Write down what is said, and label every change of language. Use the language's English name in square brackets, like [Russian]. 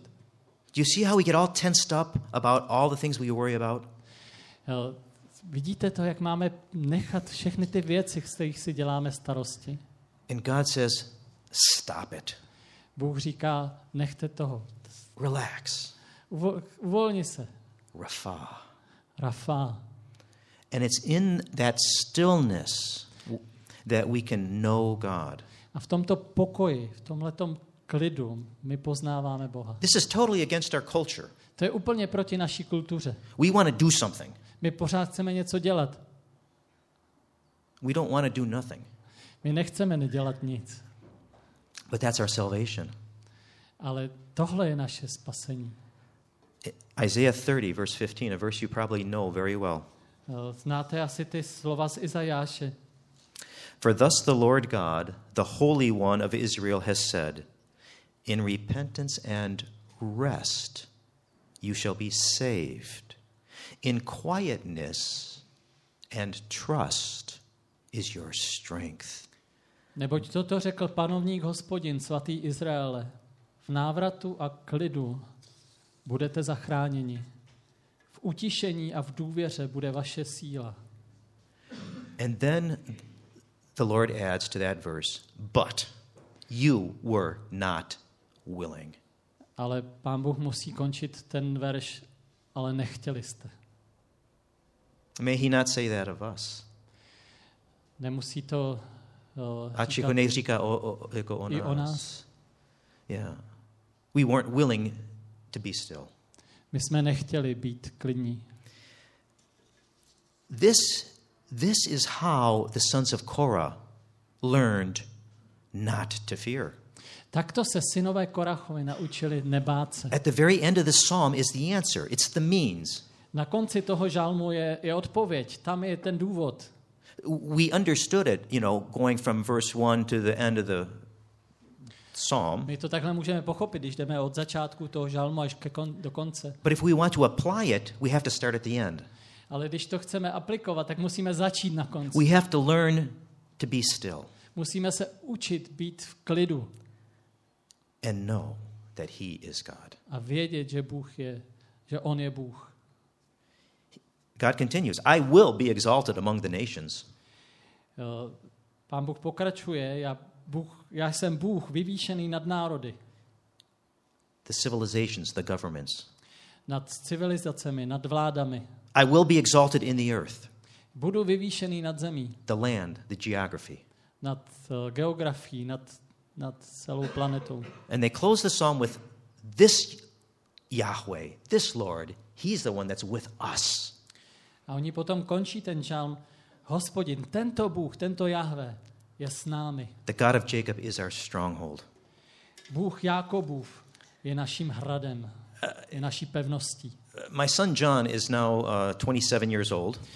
[English] Do you see how we get all tensed up about all the things we worry about? [Czech] Vidíte to, jak máme nechat všechny ty věci, z kterých si děláme starosti? [English] And God says, stop it. [Czech] Bůh říká, nechte toho. [English] Relax. [Czech] Uvolni se. [English] Rafa. [Czech] Rafa. [English] And it's in that stillness that we can know God. [Czech] A v tomto pokoji, v tomhletom klidu, my poznáváme Boha. [English] This is totally against our culture. [Czech] To je úplně proti naší kultuře. [English] We want to do something. [Czech] My pořád chceme něco dělat. [English] We don't want to do nothing. [Czech] My nechceme nedělat nic. [English] But that's our salvation. [Czech] Ale tohle je naše spasení. [English] Isaiah 30, verse 15, a verse you probably know very well. [Czech] Znáte asi ty slova z Izajáše. [English] For thus the Lord God, the Holy One of Israel, has said, in repentance and rest you shall be saved. In quietness and trust is your strength. [Czech] Neboť toto řekl panovník Hospodin, svatý Izraele, v návratu a klidu budete zachráněni. V utišení a v důvěře bude vaše síla. [English] And then the Lord adds to that verse, but you were not willing. [Czech] Ale Pán Bůh musí končit ten verš, ale nechtěli jste. [English] May he not say that of us? [Czech] Nemusí to říkat. Ač jako neříká jako o nás. I o nás. [English] Yeah. We weren't willing to be still. [Czech] My jsme nechtěli být klidní. [English] This is how the sons of Korah learned not to fear. [Czech] Takto se synové Korachovi naučili nebát se. [English] At the very end of the psalm is the answer. It's the means. [Czech] Na konci toho žalmu je odpověď. Tam je ten důvod. [English] We understood it, you know, going from verse 1 to the end of the psalm. [Czech] My to takhle můžeme pochopit, když jdeme od začátku toho žalmu až do konce. [English] But if we want to apply it, we have to start at the end. [Czech] Ale když to chceme aplikovat, tak musíme začít na konci. [English] We have to learn to be still. [Czech] Musíme se učit být v klidu. [English] And know that he is God. [Czech] A vědět, že Bůh je, že on je Bůh. [English] God continues, I will be exalted among the nations. [Czech] Pán Bůh pokračuje, já jsem Bůh vyvýšený nad národy. [English] The civilizations, the governments. [Czech] Nad civilizacemi, nad vládami. [English] I will be exalted in the earth. [Czech] Budu vyvýšený nad zemí. [English] The land, the geography. [Czech] Nad geografií, nad celou planetou. [English] And they close the psalm with this Yahweh, this Lord, he's the one that's with us. [Czech] A oni potom končí ten žalm, Hospodin, tento Bůh, tento Jahve je s námi. [English] The God of Jacob is our stronghold. [Czech] Bůh Jakobův je naším hradem, je naší pevností. [English] My son John is now 27 years old.